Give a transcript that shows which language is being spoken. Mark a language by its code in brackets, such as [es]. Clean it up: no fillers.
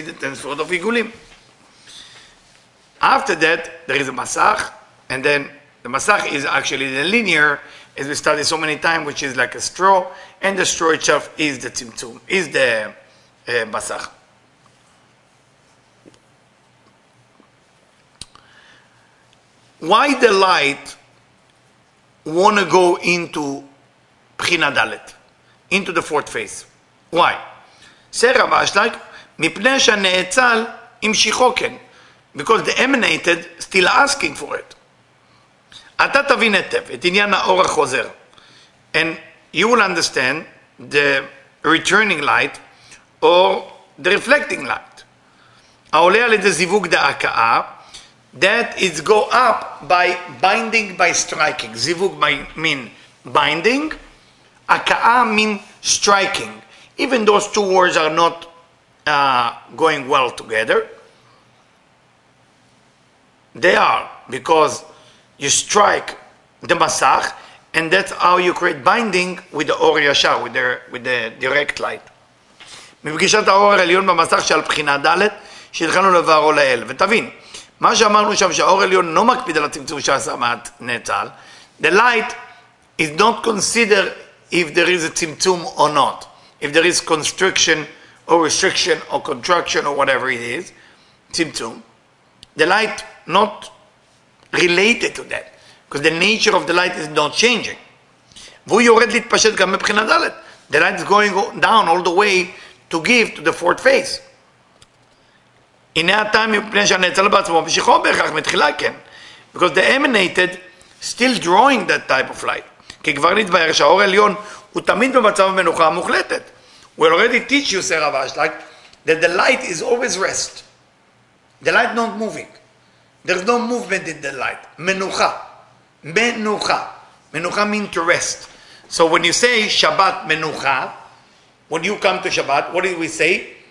[en] The 10 sfirot of igulim. After that, there is a masach, and then the masach is actually the linear, as we study so many times, which is like a straw, and the straw itself is the tzimtzum, is the מסך. Why the light want to go into בחינה דלת? Into the fourth phase. Why? Say Rav Ashlag, [he] מפני שהנאצל המשיכו כן. [en] Because the emanated still asking for it. [he] אתה תבין היטב את עניין האור החוזר. [en] And you will understand the returning light or the reflecting light. [he] העולה על ידי זיווג דהקאה, [en] that is go up by binding, by striking. זיווג mean binding, הקאה mean striking. Even those two words are not going well together, they are, because you strike the masach, and that's how you create binding with the אור ישר, with the direct light. [he] מפגישת האור העליון במסך שעל בחינה ד' שהתחלנו לבארו לאל. ותבין, מה שאמרנו שם שהאור העליון לא מקפיד על הצמצום שעשה מעט נאצל, [en] the light is not considered if there is a צמצום or not, if there is constriction or restriction or contraction or whatever it is, צמצום, the light not related to that, because the nature of the light is not changing. [he] והוא יורד להתפשט גם מבחינה דלת. [en] The light is going down all the way to give to the fourth phase. [he] הנה הטעם מפני שהנאצל בעצמו משיכו בהכרח מתחילה, כן. [en] Because the emanated still drawing that type of light. [he] כי כבר נתבהר שהאור העליון הוא תמיד במצב המנוחה המוחלטת. [en] We already teach you, Sir Ravash, that the light is always rest. The light not moving. There's no movement in the light. מנוחה. מנוחה. מנוחה means to rest. So when you say Shabbat מנוחה, when you come to Shabbat, what do we say?